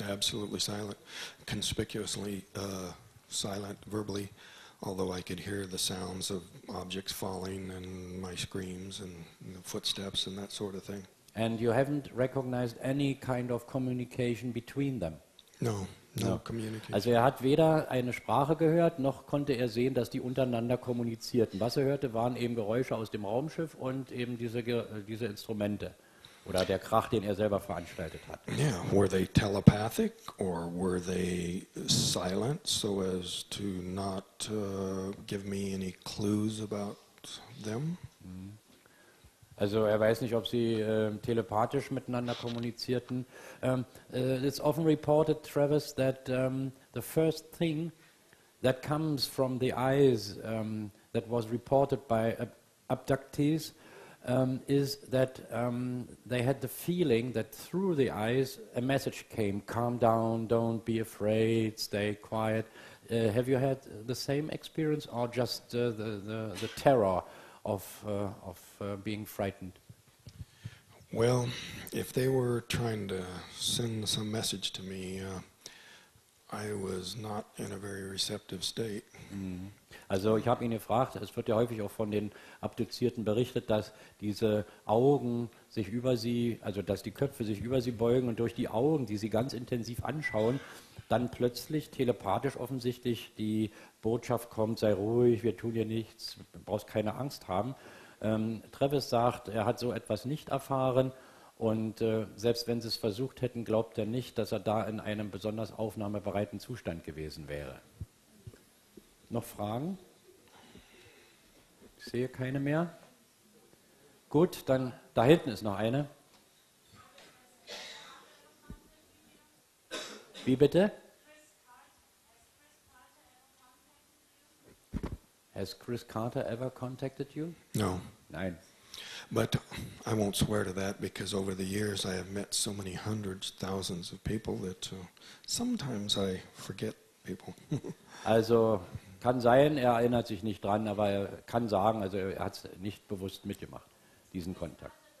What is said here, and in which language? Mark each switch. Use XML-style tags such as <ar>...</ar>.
<en>Absolutely silent, conspicuously silent, verbally. although I could hear the sounds of objects falling and my screams and the footsteps and that sort of thing. And you haven't recognized any kind of communication between them? No communication.</en> <de>Also er hat weder eine Sprache gehört, noch konnte er sehen, dass die untereinander kommunizierten. Was er hörte, waren eben Geräusche aus dem Raumschiff und eben diese Instrumente. Oder der Krach, den er selber veranstaltet hat.</de> <en>Yeah, were they telepathic or were they silent so as to not give me any clues about them?</en> <de>Also er weiß nicht, ob sie telepathisch miteinander kommunizierten.</de> <en>It's often reported, Travis, that the first thing that comes from the eyes that was reported by abductees is that they had the feeling that through the eyes a message came, calm down, don't be afraid, stay quiet. Have you had the same experience or just the terror of being frightened? Well, if they were trying to send some message to me, I was not in a very receptive state.</en> <de>Also ich habe ihn gefragt, es wird ja häufig auch von den Abduzierten berichtet, dass diese Augen sich über sie, also dass die Köpfe sich über sie beugen und durch die Augen, die sie ganz intensiv anschauen, dann plötzlich telepathisch offensichtlich die Botschaft kommt, sei ruhig, wir tun dir nichts, du brauchst keine Angst haben. Travis sagt, er hat so etwas nicht erfahren. Und selbst wenn sie es versucht hätten, glaubt er nicht, dass er da in einem besonders aufnahmebereiten Zustand gewesen wäre. Noch Fragen? Ich sehe keine mehr. Gut, dann da hinten ist noch eine. Wie bitte?</de> <en>Has Chris Carter ever contacted you? No.</en> <de>Nein.</de> <en>But I won't swear to that because over the years I have met so many hundreds, thousands of people that sometimes I forget people.</en> <de>Also kann sein, er erinnert sich nicht dran, aber er kann sagen, also er hat es nicht bewusst mitgemacht, diesen Kontakt.</de>